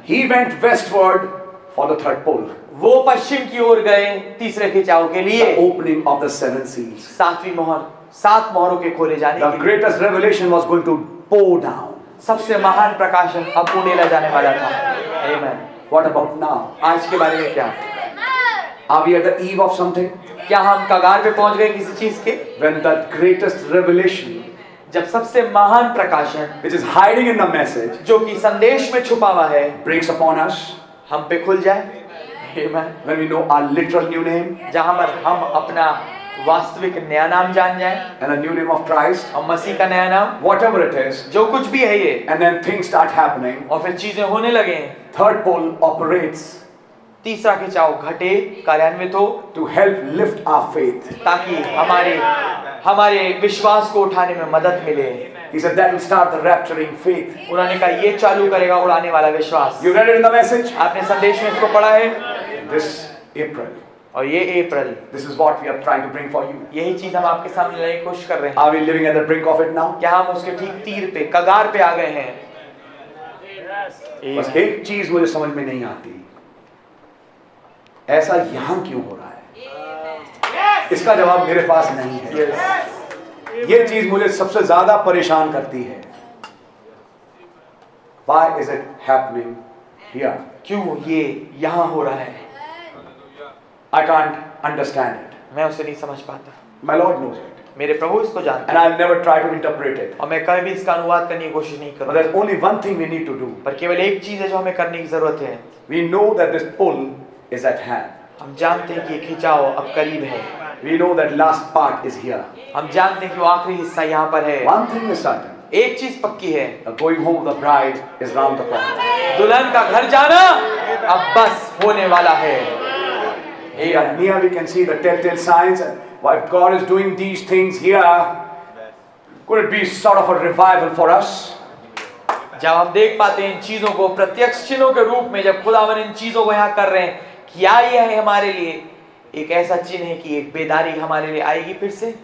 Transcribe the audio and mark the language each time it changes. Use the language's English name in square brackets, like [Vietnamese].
[English] He went westward for the third pole. [Hindi] वो पश्चिम की ओर गए तीसरे खिंचाव के लिए। [English] The opening of the seven seals. [Hindi] सातवीं मोहर, सात मोहरों के खोले जाने के लिए। [English] The greatest revelation was going to pour down. [Hindi] सबसे महान प्रकाशन अब उड़ेला जाने वाला था। [English] Amen. What about now? [Hindi] आज के बारे में क्या? [English] Are we at the eve of something? [Hindi] क्या हम कगार पे पहुंच गए किसी चीज के? [English] When the greatest revelation, [Hindi] जब सबसे महान प्रकाशन, [English] which is hiding in the message, [Hindi] जो कि संदेश में छुपा हुआ है, [English] breaks upon us, [Hindi] हम पे खुल जाए। Amen. [English] When we know our literal new name, [Hindi] जहां पर हम अपना वास्तविक नया नाम जान जाए, [English] and a new name of Christ, [Hindi] और मसीह का नया नाम, [English] whatever it is, [Hindi] जो कुछ भी है ये, [English] and then things start happening, [Hindi] और फिर चीजें होने लगे, [English] third pole operates, [Hindi] तीसरा खिंचाव घटे कार्यान्वित हो, [English] to help lift our faith, [Hindi] ताकि हमारे विश्वास को उठाने में मदद मिले। [English] He said that will start the rapturing faith. [Hindi] उन्होंने कहा ये चालू करेगा उड़ाने वाला विश्वास। [English] You read it in the message? [Hindi] आपने संदेश में इसको पढ़ा है? [English] This April. [Hindi] और ये अप्रैल। [English] This is what we are trying to bring for you. [Hindi] यही चीज हम आपके सामने लाने की कोशिश कर रहे हैं। [English] Are we living at the brink of it now? [Hindi] क्या हम उसके ठीक तीर पे, कगार पे आ गए हैं? [English] Yes. [Hindi] बस एक चीज मुझे समझ में नहीं आती। ऐसा यहाँ क्यों हो रहा है? Yes. इसका जवाब मेरे पास नहीं है। [English] Yes. [Hindi] ये चीज मुझे सबसे ज्यादा परेशान करती है। [English] Why is it happening here? [Hindi] क्यों ये यहाँ हो रहा है? [English] I can't understand it. [Hindi] मैं उसे नहीं समझ पाता। [English] My Lord knows it. [Hindi] मेरे प्रभु इसको जानते हैं। [English] And I'll never try to interpret it. [Hindi] और मैं कभी भी इसका अनुवाद करने की कोशिश नहीं करूंगा। [English] But there's only one thing we need to do. [Hindi] पर केवल एक चीज है जो हमें करने की जरूरत है। [English] We know that this pull is at hand. [Hindi] हम जानते हैं कि ये खिंचाव अब करीब है। [English] We know that last part is here. [Hindi] हम जानते हैं कि वो आखिरी हिस्सा यहाँ पर है। [English] One thing is certain. [Hindi] एक चीज पक्की है। [English] The going home of the bride is round the corner. [Hindi] दुल्हन का घर जाना अब बस होने वाला है। [English] Near we can see the telltale signs. While God is doing these things here, could it be sort of a revival for us? [Hindi] जब हम देख पाते हैं इन चीजों को प्रत्यक्ष चिन्हों के रूप में, जब खुदावन इन चीजों को यहाँ कर रहे हैं, क्या यह है हमारे लिए एक ऐसा चिन्ह है कि एक बेदारी हमारे लिए आएगी फिर से?